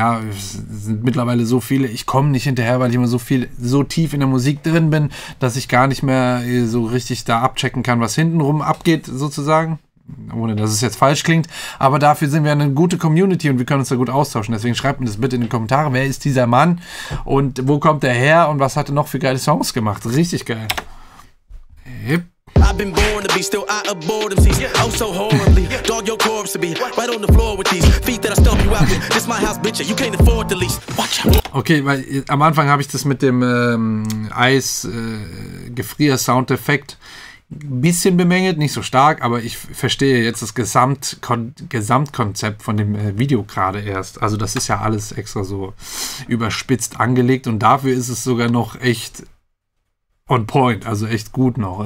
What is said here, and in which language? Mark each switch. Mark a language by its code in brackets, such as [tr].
[de] Ja, es sind mittlerweile so viele. Ich komme nicht hinterher, weil ich immer so tief in der Musik drin bin, dass ich gar nicht mehr so richtig da abchecken kann, was hintenrum abgeht, sozusagen. Ohne, dass es jetzt falsch klingt. Aber dafür sind wir eine gute Community und wir können uns da gut austauschen. Deswegen schreibt mir das bitte in die Kommentare. Wer ist dieser Mann? Und wo kommt er her? Und was hat er noch für geile Songs gemacht? Richtig geil. Yep. [en] I've been born to be still out of boredom, see, oh so horribly, dog your corpse to be right on the floor with these feet that I stomp you out with, this my house bitch, you can't afford the lease, watch out. [de] Okay, weil am Anfang habe ich das mit dem Eis-Gefrier-Soundeffekt bisschen bemängelt, nicht so stark, aber ich verstehe jetzt das Gesamtkonzept von dem Video gerade erst. Also das ist ja alles extra so überspitzt angelegt und dafür ist es sogar noch echt on point, also echt gut noch.